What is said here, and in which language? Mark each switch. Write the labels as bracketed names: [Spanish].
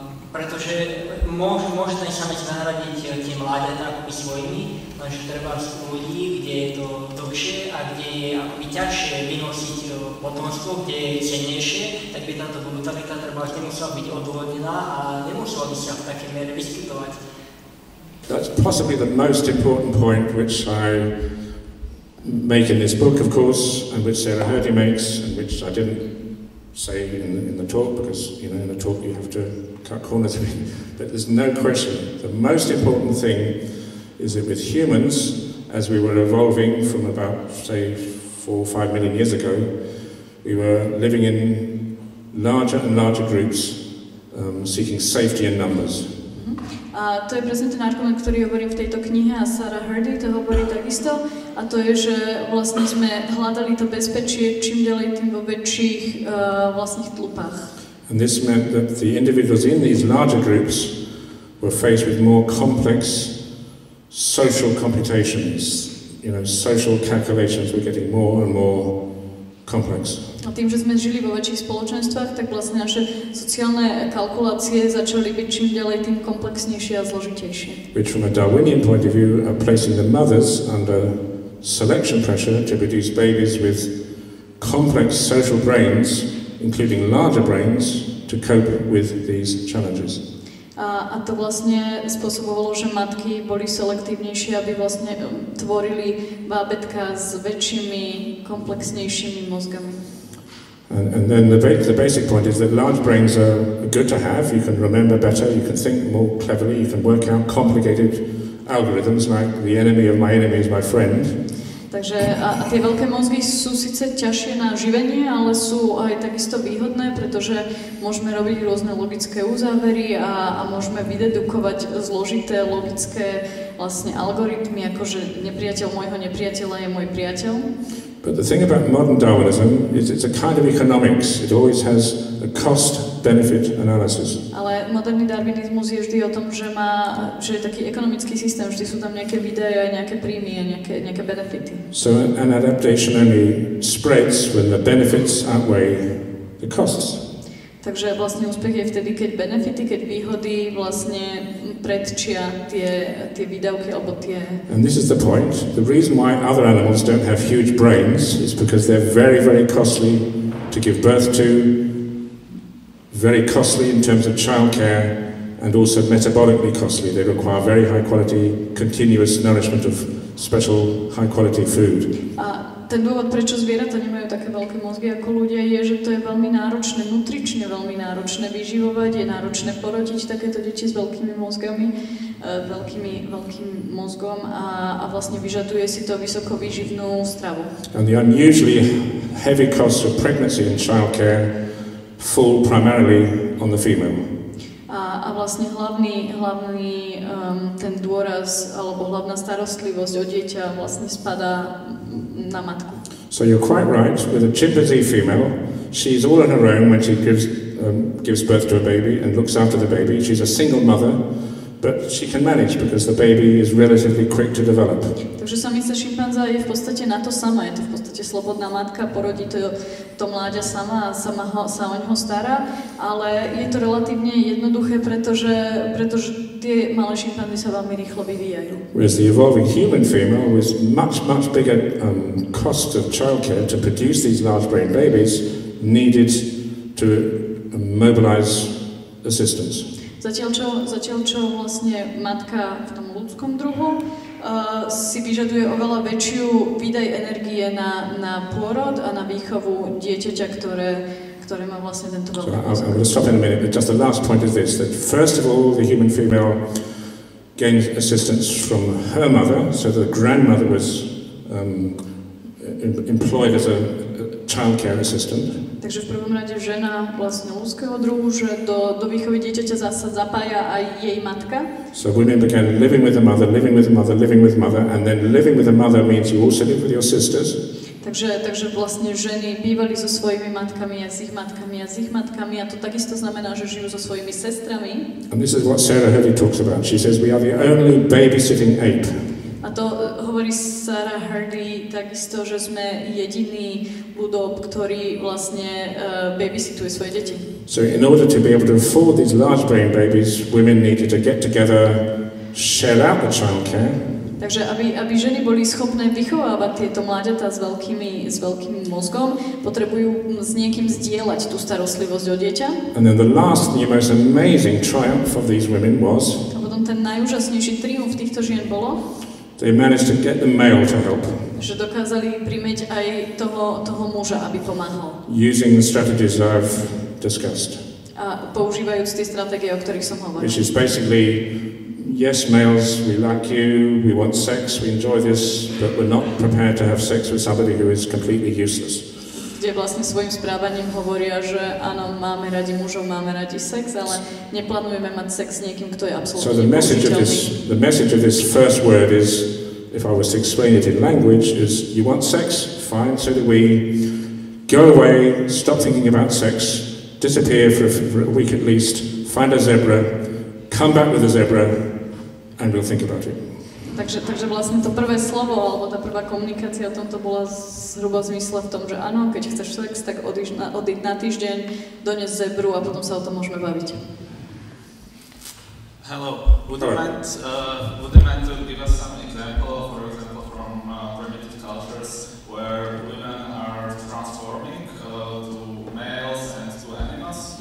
[Slovak] pretože môže ten samec nahradiť tie mláďatá akoby svojimi, lenže treba u ľudí, kde je to dlhšie a kde je akoby ťažšie vynosiť potomstvo, kde je cennejšie, tak by táto brutalita treba nemusela byť odôvodnená a nemusela by sa v takej mere vyskytovať. [English] That's possibly the most important point which I make in this book, of course, and which Sarah Hurdy makes, and which I didn't say in the talk, because, you know, in a talk you have to cut corners a bit. But there's no question. The most important thing is that with humans, as we were evolving from about, say, 4 or 5 million years ago, we were living in larger and larger groups, seeking safety in numbers. [Slovak] A to je presne ten argument, ktorý hovorím v tejto knihe a Sarah Hurdy to hovorí takisto. A to je, že vlastne sme hľadali to bezpečie čím ďalej tým vo väčších vlastných tlupách. [English] And this meant that the individuals in these larger groups were faced with more complex social computations. You know, social calculations were getting more and more complex. [Slovak] A tým, že sme žili vo väčších spoločenstvách, tak vlastne naše sociálne kalkulácie začali byť čím ďalej tým komplexnejšie a zložitejšie. [English] Which from a Darwinian point of view are placing the mothers under selection pressure to produce babies with complex social brains, including larger brains, to cope with these challenges. [Slovak] A to vlastne spôsobovalo, že matky boli selektívnejšie, aby vlastne tvorili bábätka s väčšími, komplexnejšími mozgami. [English] And then the basic point is that large brains are good to have. You can remember better, you can think more cleverly, you can work out complicated algorithms like the enemy of my enemy is my friend. [Slovak] Takže a tie veľké mozgy sú síce ťažšie na živenie, ale sú aj takisto výhodné, pretože môžeme robiť rôzne logické uzávery a môžeme vydedukovať zložité logické vlastne algoritmy, akože nepriateľ môjho nepriateľa je môj priateľ. [English] But the thing about modern Darwinism is it's a kind of economics. It always has a cost-benefit analysis. [Slovak] Ale moderný darwinizmus je vždy o tom, že má, že je taký ekonomický systém, vždy sú tam nejaké výdaje, nejaké príjmy a nejaké benefity. [English] So an adaptation only spreads when the benefits outweigh the costs. [Slovak] Takže vlastne úspech je vtedy, keď benefity, keď výhody vlastne predčia tie výdavky alebo tie. [English] And this is the point. The reason why other animals don't have huge brains is because they're very, very costly to give birth to, very costly in terms of childcare, and also metabolically costly. They require very high quality, continuous nourishment of special high quality food. [Slovak] Ten dôvod, prečo zvieratá nemajú také veľké mozgy ako ľudia, je, že to je veľmi náročné, nutrične veľmi náročné vyživovať, je náročné porodiť takéto deti s veľkými mozgami, veľkým mozgom a vlastne vyžaduje si to vysoko výživnú stravu. [English] And the unusually heavy cost of pregnancy and childcare fall primarily on the female. [Slovak] A vlastne hlavný ten dôraz alebo hlavná starostlivosť o dieťa vlastne spadá na matku. [English] So you're quite right, with a chimpanzee female, she's all on her own when she gives birth to a baby and looks after the baby. She's a single mother, but she can manage because the baby is relatively quick to develop. [Slovak] Takže samica šimpanza je v podstate na to sama, je to v podstate slobodná matka, porodí to mláďa sama a sama sa o neho stará, ale je to relatívne jednoduché, pretože tie malé šimpanzy sa veľmi rýchlo vyvíjajú. [English] Whereas the evolving human female with much, much bigger cost of childcare to produce these large brain babies needed to mobilize assistance. [Slovak] Zatiaľ čo vlastne matka v tom ľudskom druhu si vyžaduje oveľa väčšiu výdaj energie na pôrod a na výchovu dieťaťa, ktoré má vlastne tento veľký mozog. [English] So I'm going to stop in a minute, but just the last point is this, that first of all, the human female gained assistance from her mother, so the grandmother was employed as a child care assistant. [Slovak] Takže v prvom rade žena vlastne ľudského druhu, že do výchovy dieťaťa zasa zapája aj jej matka. [English] So women began living with the mother, living with the mother, living with the mother, and then living with the mother means you also live with your sisters. [Slovak] Takže vlastne ženy bývali so svojimi matkami a s ich matkami a s ich matkami a to takisto znamená, že žijú so svojimi sestrami. [English] And this is what Sarah Hurley talks about. She says we are the only babysitting ape. [Slovak] A to hovorí Sarah Hurley takisto, že sme jediný ľudob, ktorý vlastne babysituje svoje deti. [English] So in order to be able to afford these large brain babies, women needed to get together, share out the childcare. [Slovak] Takže aby ženy boli schopné vychovávať tieto mláďatá s veľkým mozgom, potrebujú s niekým zdieľať tú starostlivosť o dieťa. [English] And then the last and the most amazing triumph of these women was. [Slovak] A potom ten najúžasnejší triumf týchto žien bolo. [English] They managed to get the male to help. [Slovak] Že dokázali primeť aj toho muža, aby pomáhal. [English] Using the strategies I've discussed. [Slovak] A používajúc tie strategie, o ktorých som hovoril. [English] Which is basically, yes, males, we like you, we want sex, we enjoy this, but we're not prepared to have sex with somebody who is completely useless. [Slovak] Kde vlastne svojim správaním hovoria, že áno, máme radi mužov, máme radi sex, ale neplánujeme mať sex s niekým, kto je absolútne použiteľný. [English] So the message of this first word is, if I was to explain it in language, is you want sex? Fine, so do we. Go away, stop thinking about sex, disappear for a week at least, find a zebra, come back with a zebra, and we'll think about it. [Slovak] Takže vlastne to prvé slovo, alebo tá prvá komunikácia o tomto bola zhruba v zmysle v tom, že áno, keď chceš sex, tak odíď na týždeň, donies zebru a potom sa o tom môžeme baviť. [English] Hello, would you mind to give us some example, for example, from primitive cultures, where women are transforming to males and to animals?